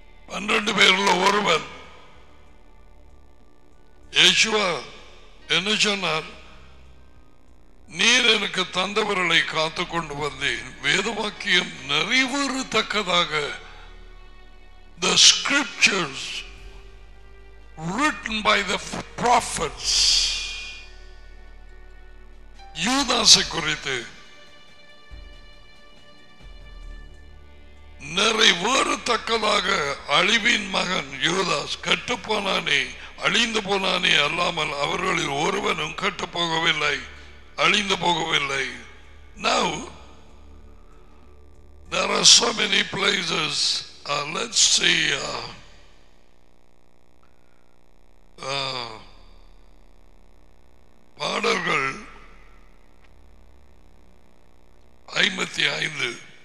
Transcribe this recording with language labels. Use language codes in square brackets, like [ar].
[ta] 12 பேர்ல ஒருவன் யேசுவா என்ன சொன்னார்? நீர் எனக்கு தந்தவர்களை காத்து கொண்டு வந்தேன், வேதவாக்கியம் நிறைவேறத்தக்கதாக. [en] The scriptures written by the prophets. [ta] யூதாசை குறித்து நிறைவேறத்தக்கதாக, அழிவின் மகன் யூதாஸ் கட்டுப்போனானே, அழிந்து போனானே அல்லாமல் அவர்களில் ஒருவனும் கட்டு போகவில்லை, அழிந்து போகவில்லை. [en] Now there are so many places. Let's see. [ta] பாடல்கள் 55.